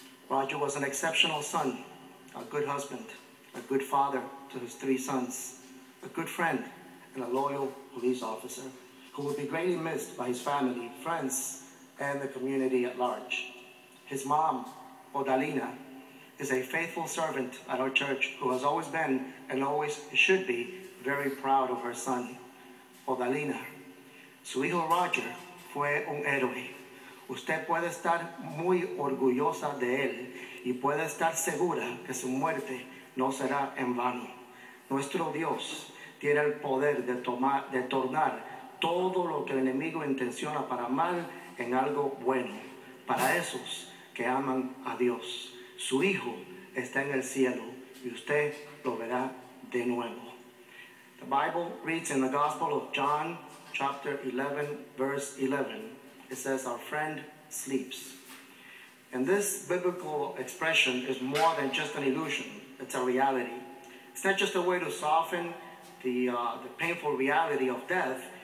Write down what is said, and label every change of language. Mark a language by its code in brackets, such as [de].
[en] Roger was an exceptional son, a good husband, a good father to his three sons, a good friend, and a loyal police officer who will be greatly missed by his family, friends, and the community at large. His mom, Odalina, is a faithful servant at our church who has always been and always should be very proud of her son, Odalina. [es] Su hijo Roger fue un héroe. Usted puede estar muy orgullosa de él y puede estar segura que su muerte no será en vano. Nuestro Dios tiene el poder de tornar todo lo que el enemigo intenciona para mal en algo bueno para esos que aman a Dios. Su hijo está en el cielo y usted lo verá de nuevo. [en] The Bible reads in the Gospel of John, chapter 11, verse 11. It says, our friend sleeps. And this biblical expression is more than just an illusion. It's a reality. It's not just a way to soften the painful reality of death.